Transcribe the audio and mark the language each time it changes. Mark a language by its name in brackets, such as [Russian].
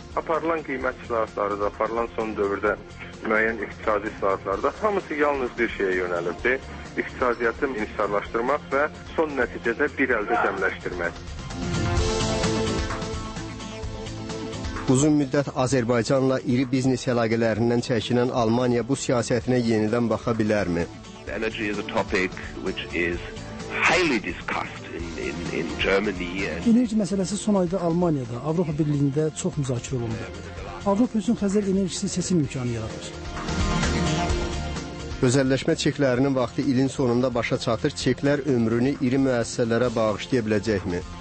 [Azerbaijani] Aparılan qiymət islahatlarında, aparılan son dövrdə müəyyən iqtisadi islahatlarda hamısı yalnız bir şeyə yönəlibdir. İqtisadiyyatı insanlaşdırmaq və son nəticədə bir əldə cəmləşdirmək. Uzun müddət Azərbaycanla iri biznes əlaqələrindən çəkinən Almanya bu siyasətinə yenidən baxa bilərmi? [English] Energy is a topic which is highly discussed in Germany. [Azerbaijani] Enerji məsələsi son ayda Almaniyada, Avropa Birliyində çox müzakirə olundu. Avropa üçün xəzər enerjisi seçim imkanı yaradır. Özəlləşmə çeklərinin vaxtı ilin sonunda başa çatır, çeklər ömrünü iri müəssisələrə bağışlaya biləcəkmi?